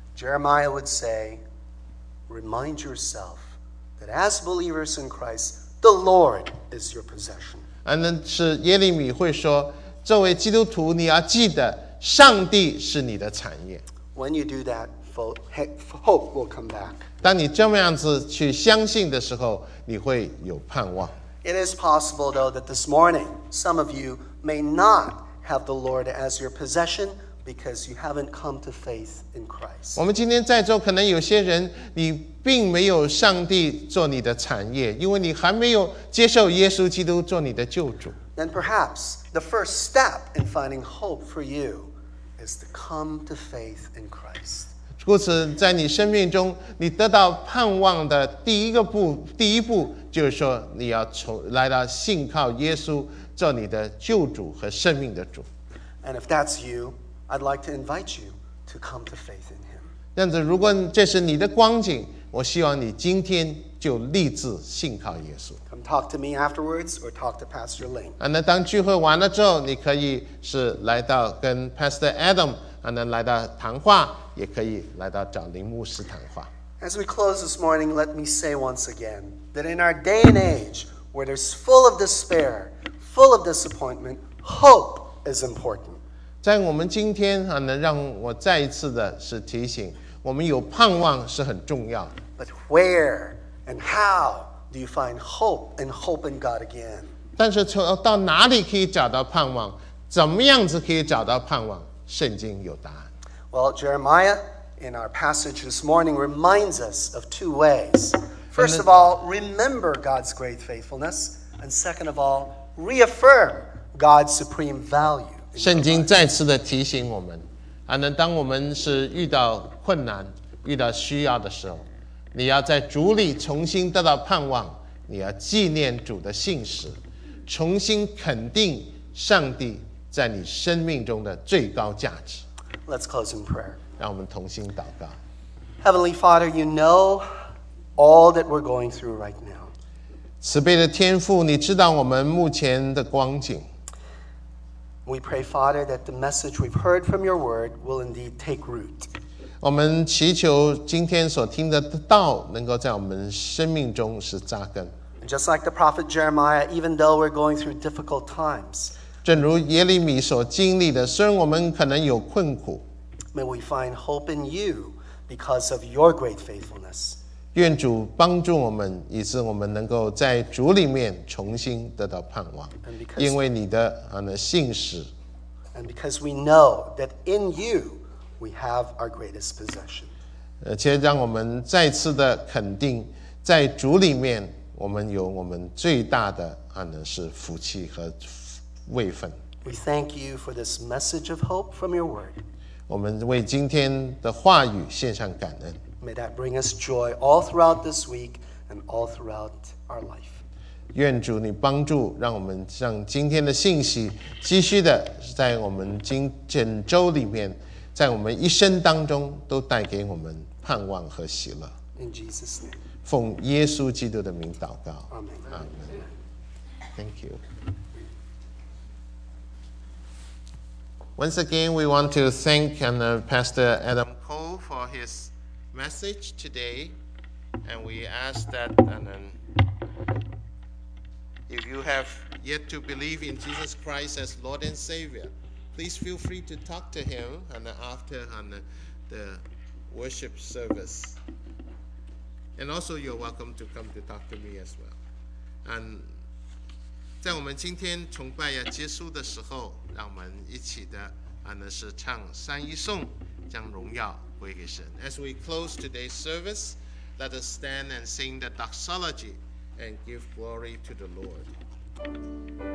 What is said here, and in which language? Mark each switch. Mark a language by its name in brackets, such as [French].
[English] Jeremiah would say, remind yourself that as believers in Christ, the Lord is your possession. [Chinese] 是耶利米会说，作为基督徒，你要记得，上帝是你的产业。 [English] When you do that, hope will come back. [Chinese] 当你这么样子去相信的时候，你会有盼望。 [English] It is possible, though, that this morning some of you may not have the Lord as your possession because you haven't come to faith in Christ. [Chinese] 我们今天在座可能有些人，你并没有上帝做你的产业，因为你还没有接受耶稣基督做你的救主。 [English] Then perhaps the first step in finding hope for you is to come to faith in Christ. [Chinese] 故此，在你生命中，你得到盼望的第一个步，第一步就是说，你要从来到信靠耶稣做你的救主和生命的主。 [English] And if that's you, I'd like to invite you to come to faith in Him. [Chinese] 这样子，如果这是你的光景，我希望你今天就立志信靠耶稣。 [English] Come talk to me afterwards or talk to Pastor Ling. [Chinese] 那当聚会完了之后，你可以是来到跟 Pastor Adam 来到谈话，也可以来到找林牧师谈话。 [English] As we close this morning, let me say once again that in our day and age where there's full of despair, full of disappointment, hope is important. [Chinese] 在我们今天，让我再一次的是提醒，我们有盼望是很重要的。 [English] But where and how do you find hope and hope in God again? [Chinese] 但是到哪里可以找到盼望？怎么样子可以找到盼望？圣经有答案。 [English] Well, Jeremiah, in our passage this morning, reminds us of two ways. First of all, remember God's great faithfulness. And second of all, reaffirm God's supreme value. [Chinese] 圣经再次的提醒我们，当我们是遇到困难、遇到需要的时候，你要在主里重新得到盼望，你要纪念主的信实，重新肯定上帝在你生命中的最高价值。 [English] Let's close in prayer. [Chinese] 让我们同心祷告。 [English] Heavenly Father, you know all that we're going through right now. [Chinese] 慈悲的天父，你知道我们目前的光景。 [English] We pray, Father, that the message we've heard from your word will indeed take root. [Chinese] 我们祈求今天所听的道能够在我们生命中是扎根。 [English] Just like the prophet Jeremiah, even though we're going through difficult times, [Chinese] 正如耶利米所经历的，虽然我们可能有困苦， [English] may we find hope in you because of your great faithfulness. [Chinese] 愿主帮助我们，以致我们能够在主里面重新得到盼望，因为你的信实。 [English] And because we know that in you we have our greatest possession. [Chinese] 且让我们再次的肯定，在主里面我们有我们最大的是福气和位分。 [English] We thank you for this message of hope from your word. [Chinese] 我们为今天的话语献上感恩。 [English] May that bring us joy all throughout this week and all throughout our life. [Chinese] 愿主你帮助，让我们让今天的信息继续的在我们今整周里面，在我们一生当中都带给我们盼望和喜乐。 [English] In Jesus' name. [Chinese] 奉耶稣基督的名祷告。 [English] Amen. Amen. Thank you. Once again, we want to thank Pastor Adam Cole for his message today, and we ask that if you have yet to believe in Jesus Christ as Lord and Savior, please feel free to talk to him after the worship service. And also, you're welcome to come to talk to me as well. [Chinese] And 在我们今天崇拜要结束的时候，让我们一起的是唱三一颂，将荣耀归给神。 [English] As we close today's service, let us stand and sing the doxology and give glory to the Lord.